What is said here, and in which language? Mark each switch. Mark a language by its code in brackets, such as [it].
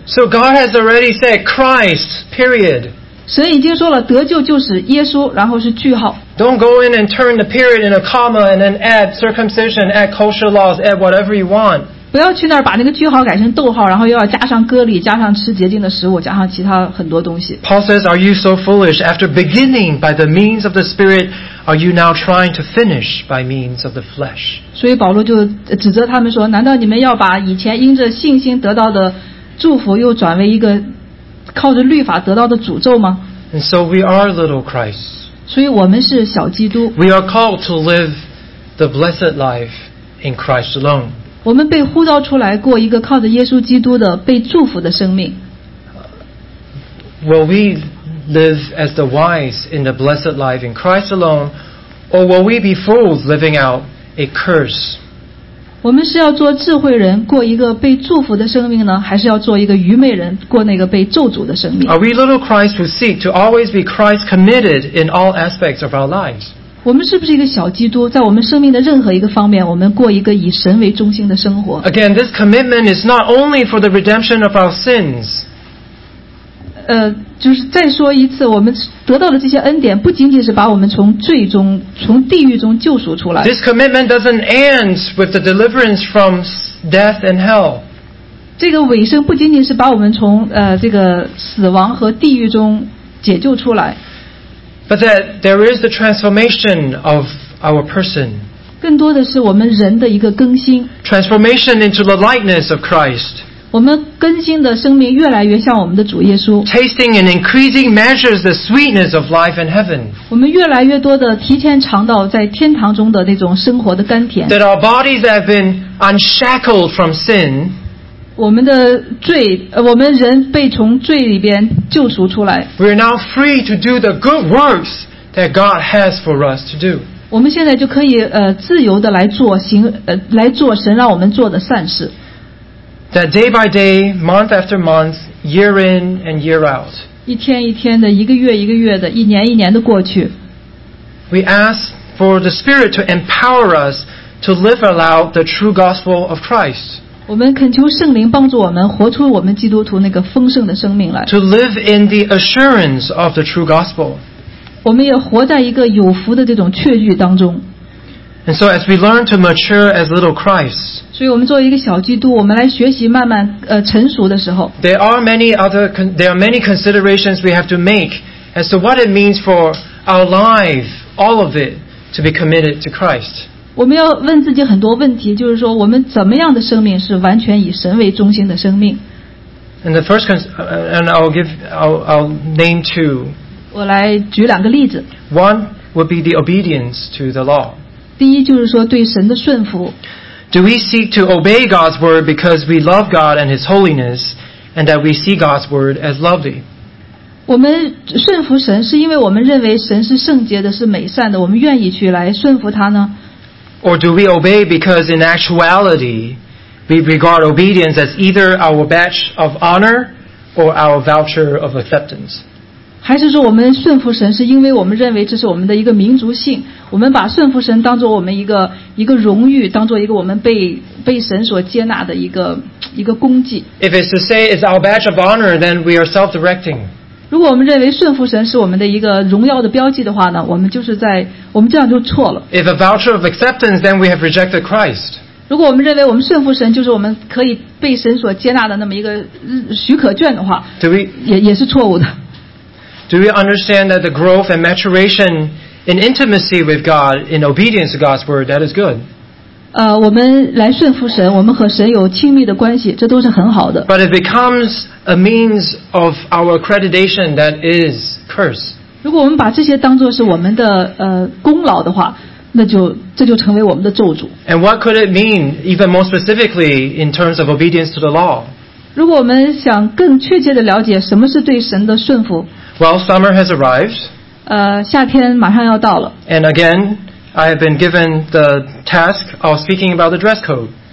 [en] So God has already said Christ, period. [zh] 神已经说了，得救就是耶稣，然后是句号。 [en] Don't go in and turn the period in a comma and then add circumcision, add kosher laws, add whatever you want. [zh] 不要去那儿把那个句号改成逗号，然后又要加上割礼，加上吃洁净的食物，加上其他很多东西。 [en] Paul says, "Are you so foolish? After beginning by the means of the Spirit, are you now trying to finish by means of the flesh?" [zh] 所以保罗就指责他们说，难道你们要把以前因着信心得到的祝福又转为一个靠着律法得到的诅咒吗？ [en] And so we are little Christ. [zh] 所以我们是小基督。 [en] We are called to live the blessed life in Christ alone. [zh] 我们被呼召出来过一个靠着耶稣基督的被祝福的生命。 [en] Will we live as the wise in the blessed life in Christ alone, or will we be fools living out a curse? [zh] 我们是要做智慧人，过一个被祝福的生命呢，还是要做一个愚昧人，过那个被咒诅的生命？ [en] Are we little Christ who seek to always be Christ committed in all aspects of our lives? [zh] 我们是不是一个小基督，在我们生命的任何一个方面，我们过一个以神为中心的生活？ [en] Again, this commitment is not only for the redemption of our sins. [zh] 就是再说一次，我们得到的这些恩典不仅仅是把我们从罪中、从地狱中救赎出来。 [en] This commitment doesn't end with the deliverance from death and hell. [zh] 这个尾声不仅仅是把我们从这个死亡和地狱中解救出来。 [en] But that there is the transformation of our person. [zh] 更多的是我们人的一个更新。 [en] Transformation into the likeness of Christ. [zh] 我们更新的生命越来越像我们的主耶稣。 [en] Tasting and increasing measures the sweetness of life in heaven. [zh] 我们越来越多的提前尝到在天堂中的那种生活的甘甜。 [en] That our bodies have been unshackled from sin. [zh] 我们的罪，我们人被从罪里边救赎出来。 [en] We are now free to do the good works that God has for us to do. [zh] 我们现在就可以自由的来做行来做神让我们做的善事。 [en] That day by day, month after month, year in and year out. [zh] 一天一天的，一个月一个月的，一年一年的过去。 [en] We ask for the Spirit to empower us to live out the true gospel of Christ. [zh] 我们恳求圣灵帮助我们活出我们基督徒那个丰盛的生命来。 [en] To live in the assurance of the true gospel. [zh] 我们也活在一个有福的这种确据当中。 [en] And so as we learn to mature as little Christ, [zh] 所以我们作为一个小基督，我们来学习慢慢成熟的时候。 [en] There are many considerations we have to make as to what it means for our life, all of it, to be committed to Christ. [zh] 我们要问自己很多问题，就是说我们怎么样的生命是完全以神为中心的生命。 [en] And the first, I'll name two. [zh] 我来举两个例子。 [en] One would be the obedience to the law. [zh] 第一就是说对神的顺服。 [en] Do we seek to obey God's word because we love God and His holiness, and that we see God's word as lovely? [zh] 我们顺服神是因为我们认为神是圣洁的，是美善的，我们愿意去来顺服他呢？ [en] Or do we obey because in actuality we regard obedience as either our badge of honor or our voucher of acceptance? [zh] 还是说我们顺服神是因为我们认为这是我们的一个民族性，我们把顺服神当作我们一个荣誉，当作一个我们被神所接纳的一个功绩。 [en] If it's to say it's our badge of honor, then we are self-directing. [zh] 如果我们认为顺服神是我们的一个荣耀的标记的话呢，我们这样就错了。 [en] If a voucher of acceptance, then we have rejected Christ. [zh] 如果我们认为我们顺服神就是我们可以被神所接纳的那么一个许可卷的话，也是错误的。 [en] Do we understand that the growth and maturation in intimacy with God, in obedience to God's word, that is good? [zh] 我们来顺服神，我们和神有亲密的关系，这都是很好的。 [en] But it becomes a means of our accreditation that is curse. [zh] 如果我们把这些当作是我们的功劳的话，这就成为我们的咒诅。 [en] And what could it mean, even more specifically, in terms of obedience to the law? [zh] 如果我们想更确切地了解什么是对神的顺服。 [en] Well, summer has arrived. [zh] 夏天马上要到了。 [en] And again, I have been given the task of speaking about the dress code.